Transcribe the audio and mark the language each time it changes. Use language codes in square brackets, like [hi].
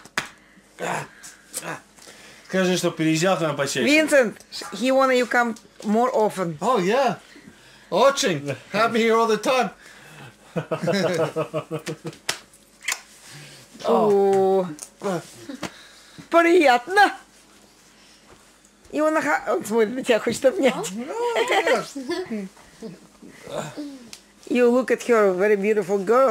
[ru] Потому что он смеется очень сильно. Скажи, что переезжал к нам почаще. [en] Винсент, he wanted you come more often. Oh, yeah. Очень. Have me here all the time. [ru] Приятно. И он смотрит на тебя, хочет обнять. [en] You look at her, very beautiful girl,